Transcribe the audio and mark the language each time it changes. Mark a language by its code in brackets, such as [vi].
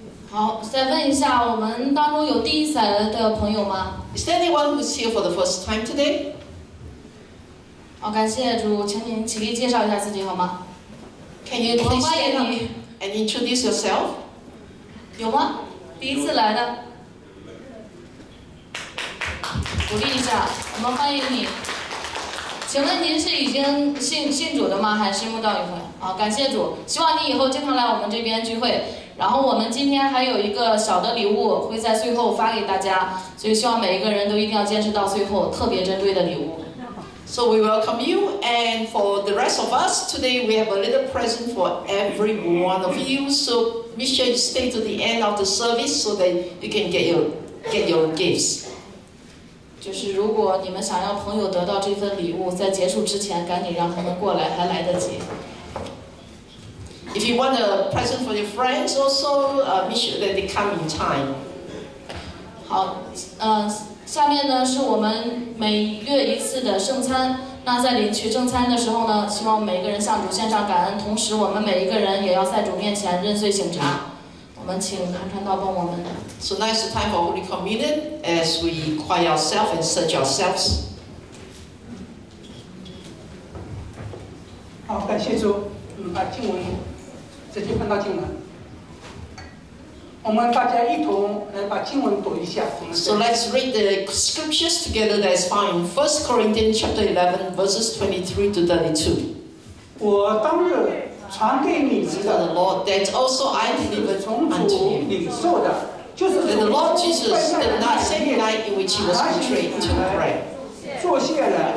[zh] 好，再问一下，我们当中有第一次来的朋友吗 [en] ？Is there anyone who's here for the first time today？ [zh] 好，感谢主，请您起立介绍一下自己好吗 [en] ？Can you please stand up and introduce yourself？ [zh] 有吗？第一次来的，鼓励一下，我们欢迎你。请问您是已经信主的吗？还是慕道一回？好，感谢主，希望你以后经常来我们这边聚会。然后我们今天还有一个小的礼物会在最后发给大家，所以希望每一个人都一定要坚持到最后，特别珍贵的礼物。 [en] So we welcome you, and for the rest of us today, we have a little present for every one of you. So make sure you stay to the end of the service so that you can get your gifts. [zh] 就是如果你们想让朋友得到这份礼物，在结束之前赶紧让他们过来，还来得及。 [en] If you want a present for your friends, also, make sure that they come in time. [zh] 好，下面呢是我们每月一次的圣餐。那在领取圣餐的时候呢，希望每一个人向主献上感恩，同时我们每一个人也要在主面前认罪省察。我们请韩传道帮我们。 [en] So now is the time for Holy Communion as we quiet ourselves and search ourselves. [zh] 好，感谢主，我们把经文直接翻到经文。我们大家一同来把经文读一下。 [en] So let's read the scriptures together that is found in 1 Corinthians chapter 11, verses 23 to 32. [zh] 我当日传给你们的 [en] the Lord, that also I delivered unto you. That the Lord Jesus, the same night in which he was betrayed, took bread.